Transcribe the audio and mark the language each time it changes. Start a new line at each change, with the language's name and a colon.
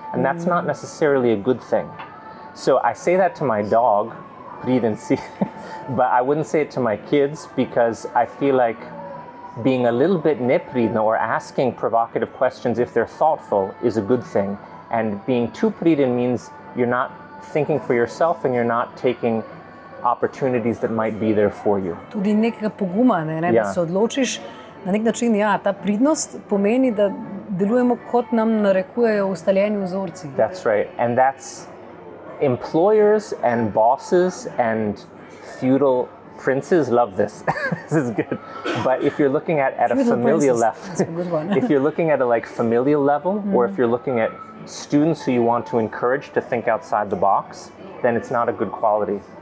English: And that's not necessarily a good thing. So I say that to my dog, pridency, but I wouldn't say it to my kids because I feel like being a little bit nepridna or asking provocative questions if they're thoughtful is a good thing. And being too pridin means you're not thinking for yourself and you're not taking opportunities that might be there for you.
Slovenian: Tudi nekega poguma, ne, ne, da se odločiš. Na nek način, ja, ta pridnost pomeni, da delujemo, kot nam narekujejo ustaljeni vzorci.
English: That's right. And that's employers and bosses and feudal princes love this. This is good. But if you're looking at a familial level, that's a good one. If you're looking at a like familial level, or if you're looking at students who you want to encourage to think outside the box, then it's not a good quality.